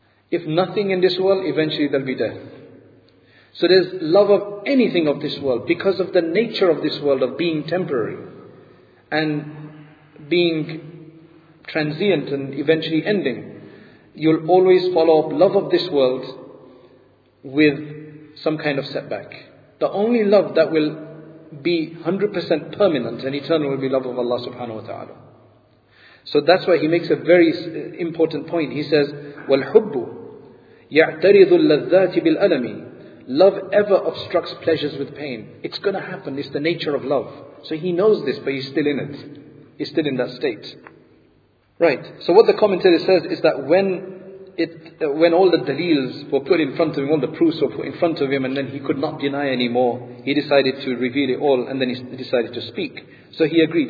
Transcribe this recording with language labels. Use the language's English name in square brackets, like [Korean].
[English] If nothing in this world, eventually there'll be death. So there's love of anything of this world, because of the nature of this world, of being temporary and being transient and eventually ending, you'll always follow up love of this world with some kind of setback. The only love that will be 100% permanent and eternal will be love of Allah subhanahu wa ta'ala. So that's why he makes a very important point. [Arabic] He says, وَالْحُبُّ يَعْتَرِضُ اللَّذَّاتِ بِالْأَلَمِ. [English] Love ever obstructs pleasures with pain. It's going to happen. It's the nature of love. So he knows this, but he's still in it. He's still in that state. Right. So what the commentator says is that when all the dalils were put in front of him, all the proofs were put in front of him, and then he could not deny anymore, he decided to reveal it all, and then he decided to speak. So he agreed.